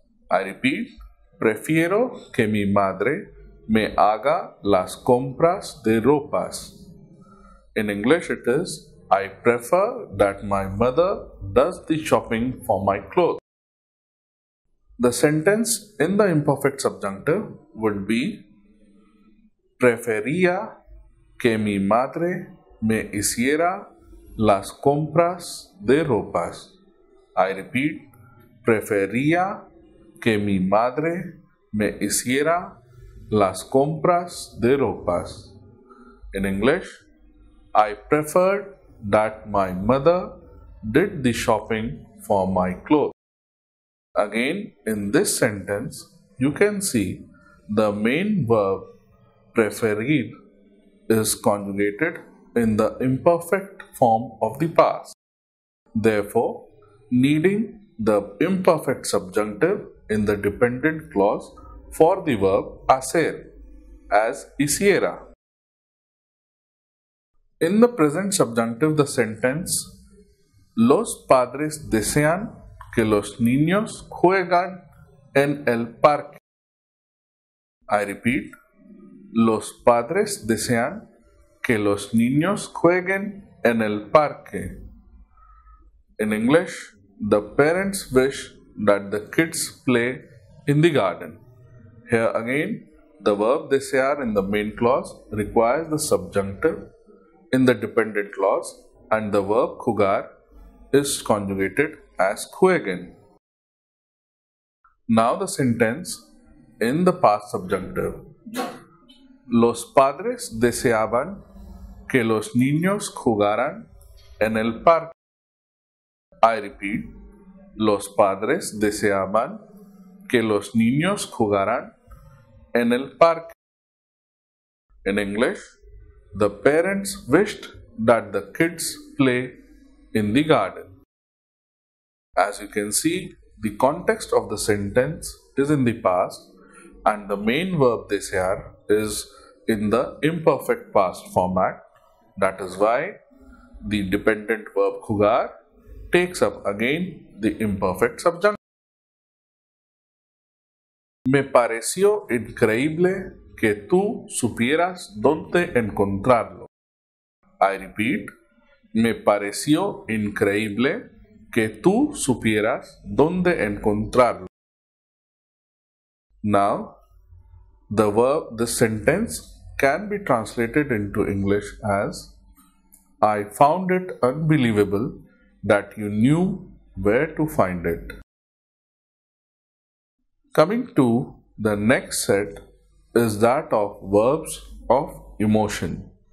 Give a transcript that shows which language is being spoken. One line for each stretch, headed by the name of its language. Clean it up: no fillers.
English: I repeat,
Spanish: Prefiero que mi madre me haga las compras de ropas.
English: In English it is, I prefer that my mother does the shopping for my clothes. The sentence in the imperfect subjunctive would be,
Spanish: Prefería que mi madre me hiciera las compras de ropas.
English: I repeat,
Spanish: Prefería que mi madre me hiciera las compras de ropas.
English: In English, I preferred that my mother did the shopping for my clothes. Again, in this sentence, you can see the main verb preferir is conjugated in the imperfect form of the past. Therefore, needing the imperfect subjunctive in the dependent clause for the verb hacer as hiciera. In the present subjunctive, the sentence
Spanish: Los padres desean que los niños jueguen en el parque.
English: I repeat,
Spanish: Los padres desean que los niños jueguen en el parque.
English: In English, the parents wish that the kids play in the garden. Here again, the verb desear in the main clause requires the subjunctive in the dependent clause, and the verb jugar is conjugated as jueguen. Now the sentence in the past subjunctive.
Spanish: Los padres deseaban que los niños jugaran en el parque.
English: I repeat,
Spanish: los padres deseaban que los niños jugaran en el parque.
English: In English, the parents wished that the kids play in the garden. As you can see, the context of the sentence is in the past and the main verb desear is in the imperfect past format. That is why the dependent verb jugar takes up again the imperfect subjunctive.
Spanish: Me pareció increíble que tú supieras dónde encontrarlo.
English: I repeat,
Spanish: me pareció increíble que tú supieras dónde encontrarlo.
English: Now, the verb, the sentence can be translated into English as, I found it unbelievable that you knew where to find it. Coming to the next set is that of verbs of emotion.